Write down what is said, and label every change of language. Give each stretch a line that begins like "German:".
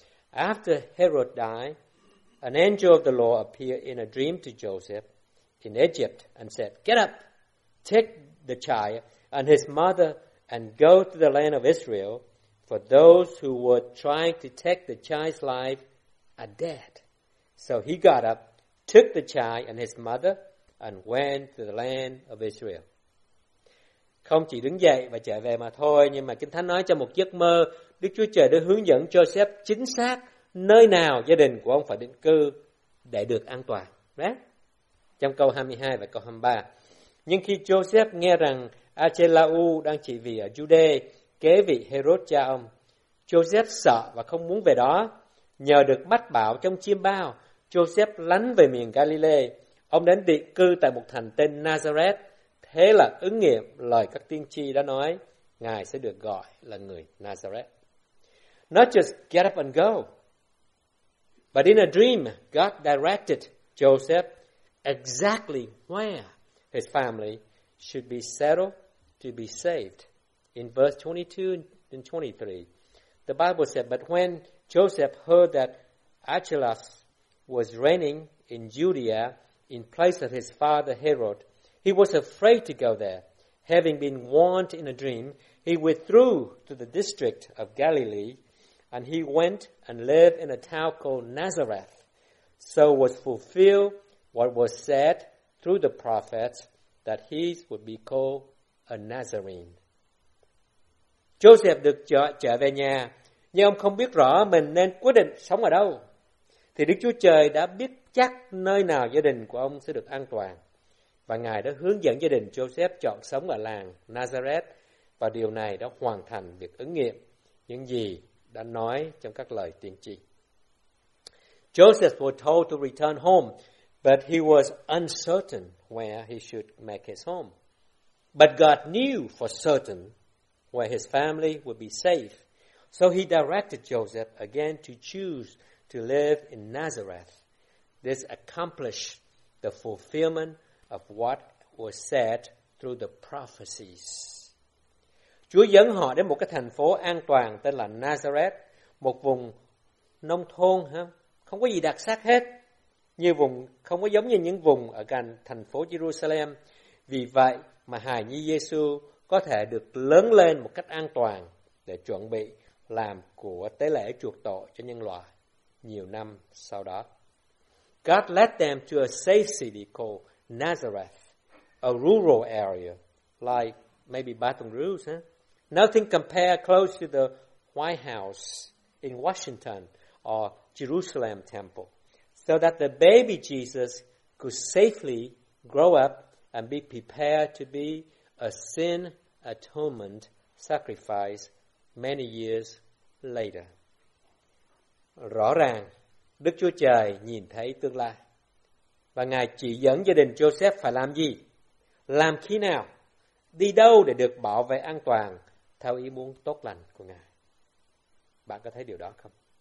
English: After Herod died, an angel of the Lord appeared in a dream to Joseph in Egypt and said, "Get up, take the child and his mother and go to the land of Israel, for those who were trying to take the child's life are dead." So he got up, took the child and his mother and went to the land of Israel.
Vietnamese: Không chỉ đứng dậy và trở về mà thôi, nhưng mà Kinh Thánh nói trong một giấc mơ, Đức Chúa Trời đã hướng dẫn Joseph chính xác nơi nào gia đình của ông phải định cư để được an toàn.
English: Right?
Vietnamese: Trong câu 22 và câu 23. Nhưng khi Joseph nghe rằng Archelau đang trị vì ở Jude, kế vị Herod cha ông, Joseph sợ và không muốn về đó. Nhờ được mách bảo trong chiêm bao, Joseph lánh về miền Galilee. Ông đến định cư tại một thành tên Nazareth. Thế là ứng nghiệm lời các tiên tri đã nói, Ngài sẽ được gọi là người Nazareth.
English: Not just get up and go, but in a dream, God directed Joseph exactly where his family should be settled to be saved. In verse 22 and 23, the Bible said, "But when Joseph heard that Archelaus was reigning in Judea in place of his father Herod, he was afraid to go there. Having been warned in a dream, he withdrew to the district of Galilee, and he went and lived in a town called Nazareth. So was fulfilled what was said through the prophets that he would be called a Nazarene."
Vietnamese: Joseph được trở về nhà, nhưng ông không biết rõ mình nên quyết định sống ở đâu. Thì Đức Chúa Trời đã biết chắc nơi nào gia đình của ông sẽ được an toàn. Và Ngài đã hướng dẫn gia đình Joseph chọn sống ở làng Nazareth. Và điều này đã hoàn thành việc ứng nghiệm những gì đã nói trong các lời tiên tri.
English: Joseph was told to return home, but he was uncertain where he should make his home. But God knew for certain where his family would be safe. So he directed Joseph again to choose to live in Nazareth. This accomplished the fulfillment of what was said through the prophecies.
Vietnamese: Chúa dẫn họ đến một cái thành phố an toàn tên là Nazareth, một vùng nông thôn, không có gì đặc sắc hết. như vùng không có giống như những vùng ở gần thành phố Jerusalem. Vì vậy mà hài nhi Giêsu có thể được lớn lên một cách an toàn để chuẩn bị làm của tế lễ chuộc tội cho nhân loại nhiều năm sau đó.
English: God led them to a safe city called Nazareth, a rural area like maybe Baton Rouge, huh? Nothing compared close to the White House in Washington or Jerusalem Temple, so that the baby Jesus could safely grow up and be prepared to be a sin atonement sacrifice many years later.
Vietnamese: Rõ ràng, Đức Chúa Trời nhìn thấy tương lai và Ngài chỉ dẫn gia đình Joseph phải làm gì, làm khi nào, đi đâu để được bảo vệ an toàn theo ý muốn tốt lành của Ngài. Bạn có thấy điều đó không?